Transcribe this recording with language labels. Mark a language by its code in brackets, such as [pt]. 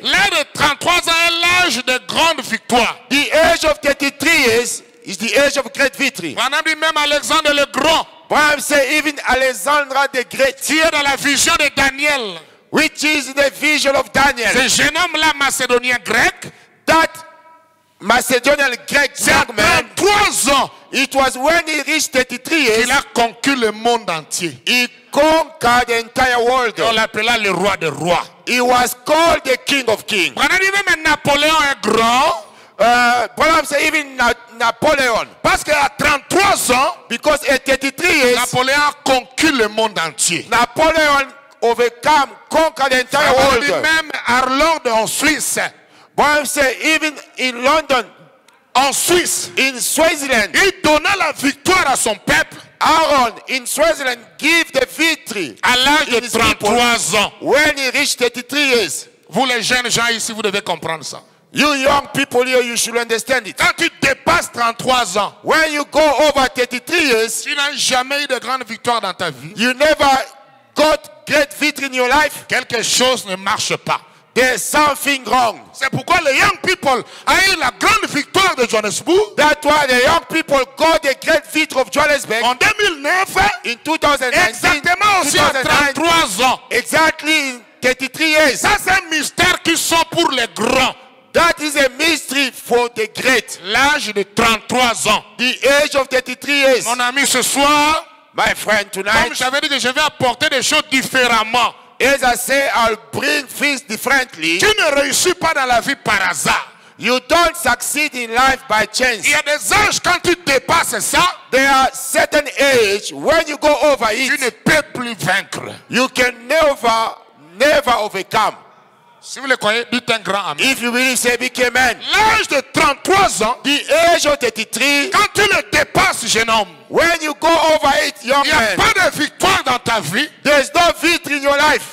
[fr] l'âge de 33 ans est l'âge de grande victoire. [en] The age of 33 years is the age of great victory. [fr] On a dit même Alexandre le Grand. [en] Bible says even Alexandre the Great, [fr] qui est dans la vision de Daniel, [en] which is the vision of Daniel. [fr] Ce jeune homme-là, Macédonien grec, [en] that Macedonian Greek young man, [fr] 33 ans. [en] It was when he reached 33 years. [fr] Il a conquis le monde entier. [en] He conquered the entire world. [fr] On l'appela le roi des rois. [en] He was called the King of Kings. [fr] On a dit même Napoléon est grand. [en] Bible says even Napoléon. [fr] Parce qu'à 33 ans, [en] because at 33 years, [fr] Napoléon a conquis le monde entier. [en] Napoléon overcame, conquered the entire world. [fr] Même Arlong en Suisse. [en] Bible says even in London, [fr] en Suisse, [en] in Switzerland, [fr] il donna la victoire à son peuple. [en] Aaron in Switzerland give the victory. [fr] À l'âge de 33 ans, [en] when he reached 33 years. [fr] Vous les jeunes gens ici, vous devez comprendre ça. [en] You young people here, you should understand it. [fr] Quand tu dépasses 33 ans, [en] when you go over 33 years, [fr] tu n'as jamais eu de grande victoire dans ta vie. [en] You never got great victory in your life. [fr] Quelque chose ne marche pas. [en] There's something wrong. [fr] C'est pourquoi les [en] young people [fr] a eu la grande victoire de Johannesburg. [en] That's why the young people got the great victory of Johannesburg. [fr] En 2009, [en] in 2019, [fr] exactement aussi 2019, à 33 ans. [en] Exactly in 33 years. [fr] Ça c'est un mystère qui sont pour les grands. [en] That is a mystery for the great. [fr] L'âge de 33 ans. [en] The age of 33 years. [fr] Mon ami, ce soir, [en] my friend, tonight, [fr] comme j'avais dit, je vais apporter des choses différemment. [en] As I say, I'll bring things differently. [fr] Tu ne réussis pas dans la vie par hasard. [en] You don't succeed in life by chance. [fr] Il y a des âges quand tu dépasses ça. [en] There are certain age when you go over it. [fr] Tu ne peux plus vaincre. [en] You can never, never overcome. [fr] Si vous le croyez, dites un grand amen. [en] If you believe, say big amen. [fr] L'âge de 33 ans, [en] the age of 33, [fr] quand tu le dépasses, jeune homme, [en] when you go over it, young man, [fr] il n'y a pas de victoire dans ta vie. [en] There's no victory in your life.